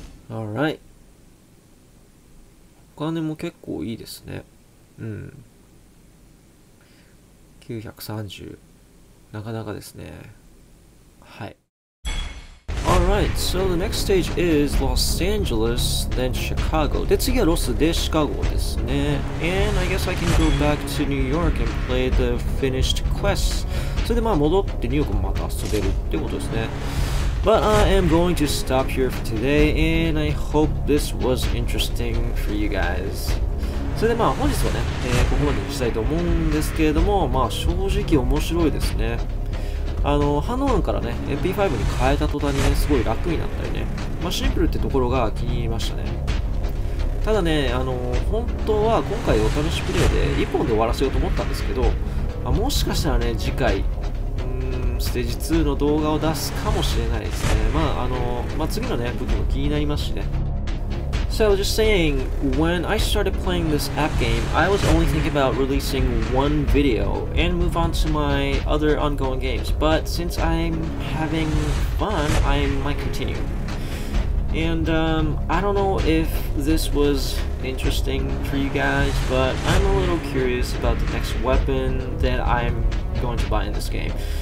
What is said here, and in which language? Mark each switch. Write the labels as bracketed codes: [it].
[ja] オーライ、お金も結構いいですね。うん、930、なかなかですね。はい。 [en] Alright, so the next stage is Los Angeles, then Chicago. [ja] で、次はロスでシカゴですね。 [en] And I guess I can go back to New York and play the finished quest. [ja] それでまあ戻ってニューヨークもまた遊べるってことですね。 [en] But I am going to stop here for today, and I hope this was interesting for you guys. [ja] それでまあ本日はね、ここまでにしたいと思うんですけれども、まあ正直面白いですね。ハノンからね、MP5 に変えた途端にね、すごい楽になったりね。まあ、シンプルってところが気に入りましたね。ただね、本当は今回お試しプレイで1本で終わらせようと思ったんですけど、まあ、もしかしたらね、次回、ステージ2の動画を出すかもしれないですね。まあ、次のね、武器も気になりますしね。 [en] So just saying, when I started playing this app game, I was only thinking about releasing one video and move on to my other ongoing games. But since I'm having fun, I might continue. And I don't know if this was interesting for you guys, but I'm a little curious about the next weapon that I'm going to buy in this game.